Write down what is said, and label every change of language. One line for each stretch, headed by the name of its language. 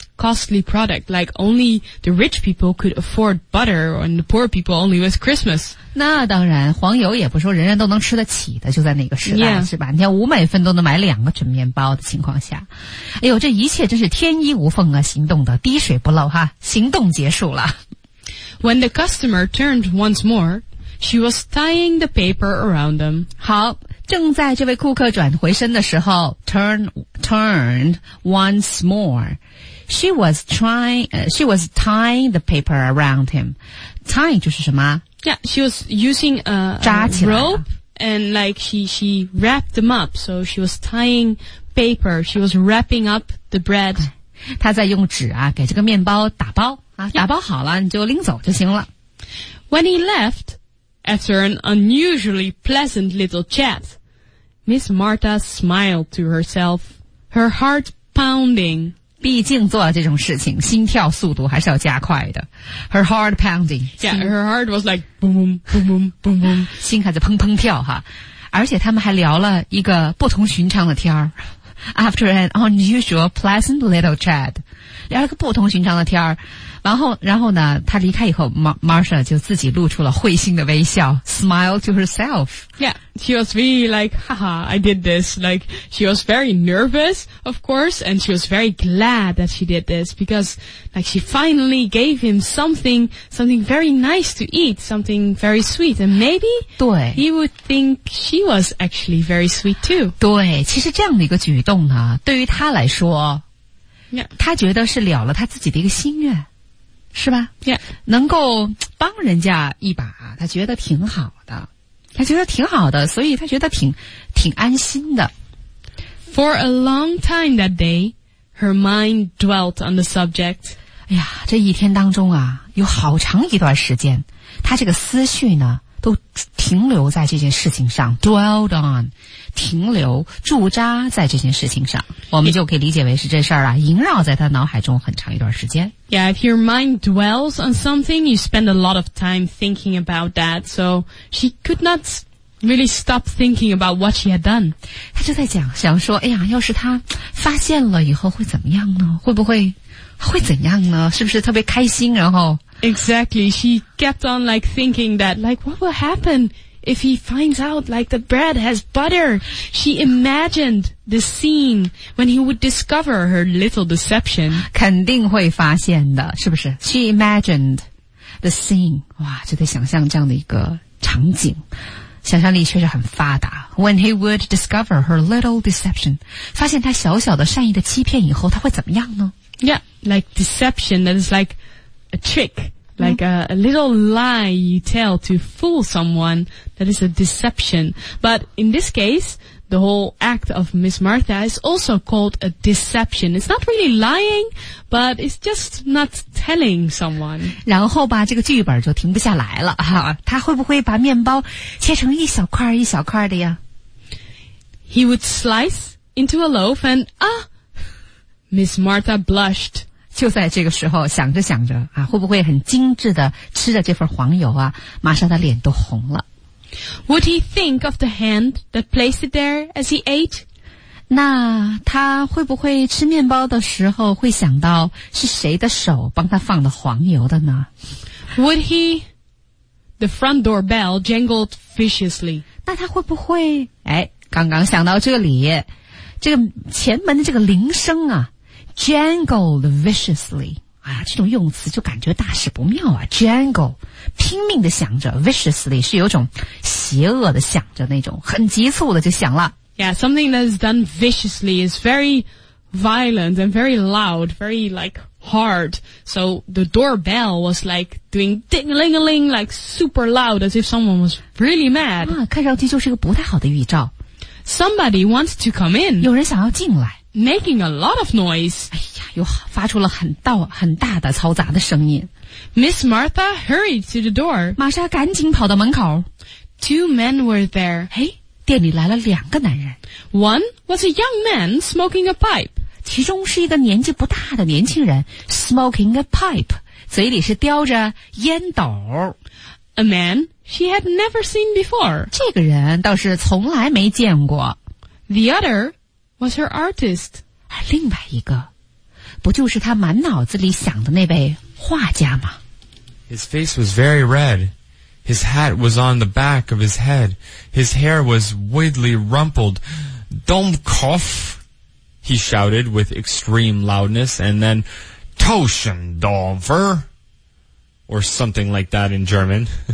English: costly product, like only the rich people could afford butter and the poor people only with Christmas.
Chinese: 那当然，黄油也不说人人都能吃得起的，就在那个时代、
English: yeah.
Chinese: 是吧？你要五美分都能买两个纸面包的情况下，哎呦，这一切真是天衣无缝啊，行动的滴水不漏哈，行动结束了。
English: When the customer turned once more, she was tying the paper around them.
Chinese: 好。正在这位顾客转回身的时候
English: turned once more. She was tying the paper around him.
Chinese: Tying 就是什么
English: Yeah, she was using a rope and like she wrapped them up. So she was tying paper. She was wrapping up the bread.
Chinese: 她在用纸啊给这个面包打包啊、yeah. 打包好了你就拎走就行了。
English: When he left,After an unusually pleasant little chat, Miss Martha smiled to herself, her heart pounding.
Chinese: 毕竟做了这种事情，心跳速度还是要加快的。
English: Her heart pounding. Yeah, her heart was like boom, boom, boom, boom, boom, boom.
Chinese: 心还在砰砰跳哈。而且他们还聊了一个不同寻常的天儿。
English: After an unusual pleasant little chat.
Chinese: 聊了个不同寻常的天儿。然后呢他离开以后 Marsha 就自己露出了会心的微笑
English: smile to herself. Yeah, she was really like, haha, I did this. Like, she was very nervous, of course, and she was very glad that she did this because, like, she finally gave him something very nice to eat, something very sweet, and maybe
Chinese: 对
English: he would think she was actually very sweet too.
Chinese: 对其实这样的一个举动呢对于他来说
English: yeah.
Chinese: 他觉得是了了他自己的一个心愿。是吧
English: yeah.
Chinese: 能够帮人家一把他觉得挺好的他觉得挺好的所以他觉得挺安心的
English: For a long time that day her mind dwelt on the subject
Chinese: 哎呀这一天当中啊有好长一段时间他这个思绪呢都停留在这件事情上
English: dwelled on
Chinese: 停留驻扎在这件事情上我们就可以理解为是这事儿啊萦绕在他脑海中很长一段时间
English: Yeah, if your mind dwells on something you spend a lot of time thinking about that so she could not really stop thinking about what she had done
Chinese: 他就在讲想说哎呀要是他发现了以后会怎么样呢会怎样呢是不是特别开心然后
English: Exactly, she kept on like thinking that like what will happen if he finds out like the bread has butter? She imagined the scene when he would discover her little deception.
Chinese: 肯定会发现的是不是
English: She imagined the scene.
Chinese: 哇就得想象这样的一个场景。想象力确实很发达。
English: When he would discover her little deception,
Chinese: 发现他小小的善意的欺骗以后他会怎么样呢
English: Yeah, like deception that is likeA trick, like a little lie you tell to fool someone, that is a deception. But in this case, the whole act of Miss Martha is also called a deception. It's not really lying, but it's just not telling someone.
Chinese: 然后吧，这个剧本就停不下来了哈。他会不会把面包切成一小块一小块的呀
English: ？He would slice into a loaf, and Miss Martha blushed.
Chinese: 就在这个时候想着想着啊会不会很精致的吃着这份黄油啊马上他脸都红了。
English: Would he think of the hand that placed it there as he ate?
Chinese: 那他会不会吃面包的时候会想到是谁的手帮他放了黄油的呢
English: ?Would he, the front door bell jangled viciously.
Chinese: 那他会不会哎刚刚想到这里这个前门的这个铃声啊
English: Jangled viciously.
Chinese: 啊这种用词就感觉大事不妙啊 Jangle, 拼命的响着 viciously 是有种邪恶的响着那种很急促的就响了。
English: Yeah, something that is done viciously is very violent and very loud, very like hard. So the doorbell was like doing ding-a-ling-a-ling, like super loud as if someone was really mad.
Chinese: 啊看上去就是个不太好的预兆。
English: Somebody wants to come in.
Chinese: 有人想要进来。
English: Making a lot of noise.
Chinese: 哎呀，又发出了很大的嘈杂的声音。
English: Miss Martha hurried to the door.
Chinese: 玛莎赶紧跑到门口。
English: Two men were there.
Chinese: 嘿，店里来了两个男人。
English: One was a young man smoking a pipe.
Chinese: 其中是一个年纪不大的年轻人
English: smoking a pipe,
Chinese: 嘴里是叼着烟斗。
English: A man she had never seen before.
Chinese: 这个人倒是从来没见过。
English: The other...was her artist.
Chinese: 而另外一个不就是他满脑子里想的那位画家吗？
English: His face was very red. His hat was on the back of his head. His hair was weirdly rumpled. Don't cough, he shouted with extreme loudness, and then Toschendorfer, or something like that in German.